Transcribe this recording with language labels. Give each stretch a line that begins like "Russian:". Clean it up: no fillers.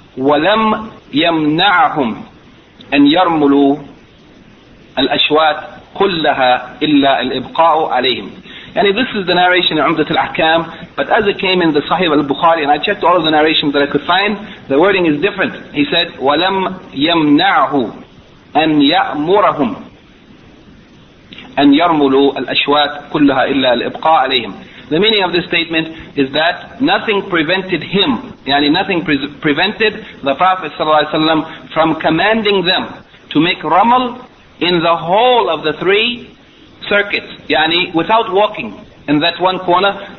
Arabic: وَلَمْ يَمْنَعَهُمْ أَنْ يَرْمُلُوا الْأَشْوَاتِ كُلَّهَا إِلَّا الْإِبْقَاءُ عَلَيْهِمْ.
English: And this is the narration in Umdat al-Ahkam, but as it came in the Sahih al-Bukhari, and I checked all of the narrations that I could find, the wording is different. He said,
Arabic: وَلَمْ يَمْنَعْهُ أَنْ يَأْمُرَهُمْ أَنْ يَرْمُلُوا الْأَشْوَاتِ كُلَّهَا إِلَّا الْإِبْقَاءَ عَلَيْهِمْ.
English: The meaning of this statement is that nothing prevented him, yani nothing prevented the Prophet ﷺ from commanding them to make ramal in the whole of the 3 circuits, yani without walking in that one corner.